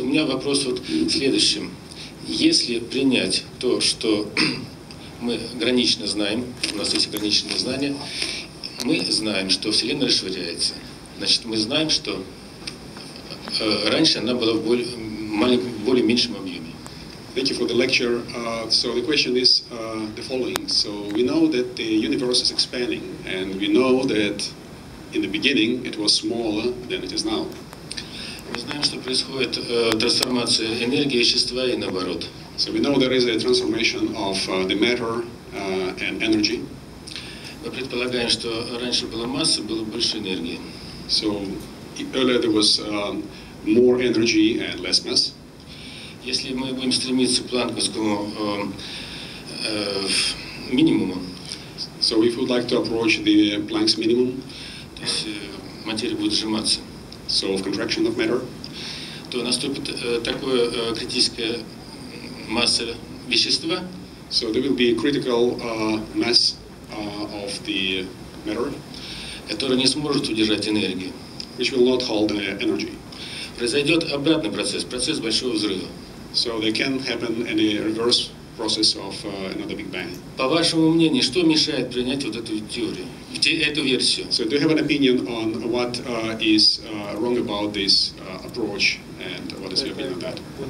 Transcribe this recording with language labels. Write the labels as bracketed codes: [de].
[ru] У меня вопрос вот в следующем. Если принять то, что мы гранично знаем, у нас есть ограниченные знания, мы знаем, что Вселенная расширяется. Значит, мы знаем, что раньше она была в более меньшем объеме. [en] Thank you for the lecture. So the question is the following. So we know that the universe is expanding, and we know that in the beginning it was smaller than it is now. [ru] Мы знаем, что происходит трансформация энергии, вещества и наоборот. [en] So we know there is a transformation of the matter and energy. [ru] Мы предполагаем, что раньше была масса, было больше энергии. [en] So earlier there was more energy and less mass. [ru] Если мы будем стремиться к планковскому минимуму. [en] So if we'd like to approach the Planck's minimum. [ru] То есть материя будет сжиматься. [en] So of contraction of matter. [ru] То наступит такое критическое масса вещества. [en] So there will be a critical mass of the matter, [ru] которая не сможет удержать энергию, [en] which will not hold the energy. [ru] Произойдет обратный процесс, процесс большого взрыва. [en] So there can happen in a reverse process of another big bang. [ru] По вашему мнению, что мешает принять вот эту теорию, эту версию? [en] So do you have an opinion on what is wrong about this approach and what is your opinion on that?